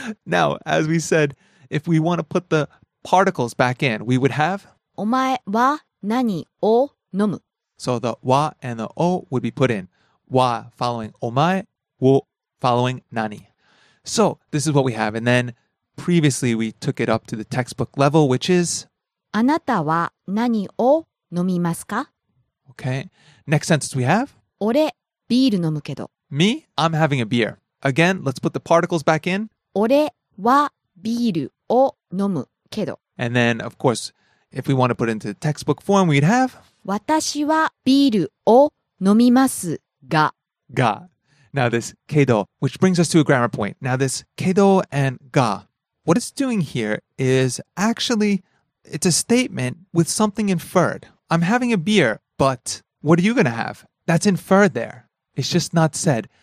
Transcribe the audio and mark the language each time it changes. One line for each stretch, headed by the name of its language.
English: Now, as we said, if we want to put the particles back in, we would have?
Japanese: お前は何を飲む?
English: So the wa and the o would be put in. Wa following omae, wo following nani. So this is what we have. And then previously we took it up to the textbook level, which is?
Japanese: あなたは何を飲みますか?
English: Okay. Next sentence we have?
Japanese: 俺ビール飲むけど。
English: Me? I'm having a beer. Again, let's put the particles back in.
Japanese: 俺はビールを飲むけど。
English: And then, of course, if we want to put it into the textbook form, we'd have?
Japanese: 私はビールを飲みますが。が。
English: Now this けど, which brings us to a grammar point. Now this けど and が. What it's doing here is actually, it's a statement with something inferred. I'm having a beer, but what are you going to have? That's inferred there. It's just not said.